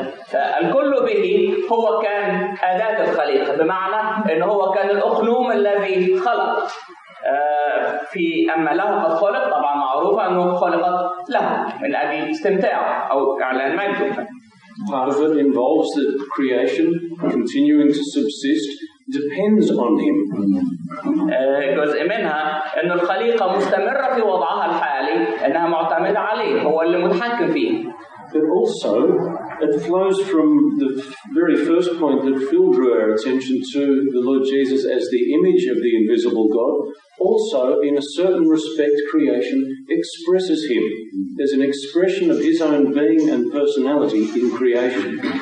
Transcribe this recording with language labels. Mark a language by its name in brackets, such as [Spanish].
[Arabic] فالكل به هو كان أداة الخليقة بمعنى إنه هو كان الأخنوم الذي خلق. في أما له قد خلق طبعا معروف أنه خلقت له من أجل استمتاع أو إعلان مجده. [English] Part of it involves that creation continuing to subsist depends on him. [Arabic] جزء منها أن الخليقة مستمرة في وضعها الحالي أنها معتمدة عليه هو اللي متحكم فيه. [English] But also, it flows from the very first point that Phil drew our attention to the Lord Jesus as the image of the invisible God. Also, in a certain respect, creation expresses him. There's an expression of his own being and personality in creation.